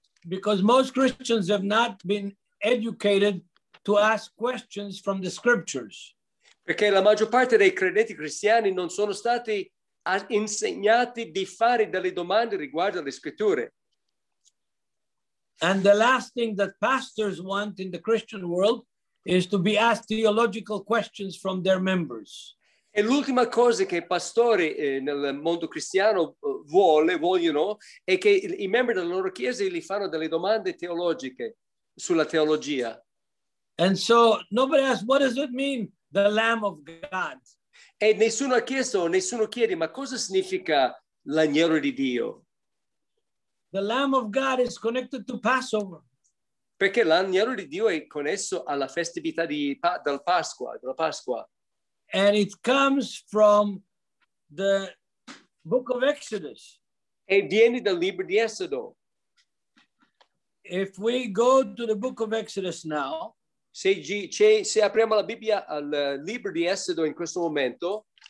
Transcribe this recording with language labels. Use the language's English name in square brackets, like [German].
[English] Because most Christians have not been educated to ask questions from the scriptures. [Italian] Perché la maggior parte dei credenti cristiani non sono stati insegnati di fare delle domande riguardo alle scritture. [English] And the last thing that pastors want in the Christian world is to be asked theological questions from their members. [Italian] E l'ultima cosa che i pastori nel mondo cristiano vogliono è che i membri della loro chiesa gli fanno delle domande teologiche sulla teologia. [English] And so nobody asks, what does it mean, the Lamb of God? [Italian] E nessuno ha chiesto, nessuno chiede, ma cosa significa l'agnello di Dio? [English] The Lamb of God is connected to Passover. [Italian] Perché l'agnello di Dio è connesso alla festività della Pasqua. [English] And it comes from the book of Exodus. [Italian] E viene dal libro di Esodo. [English] If we go to the book of Exodus now, [Italian] se apriamo la Bibbia al libro di Esodo in questo momento,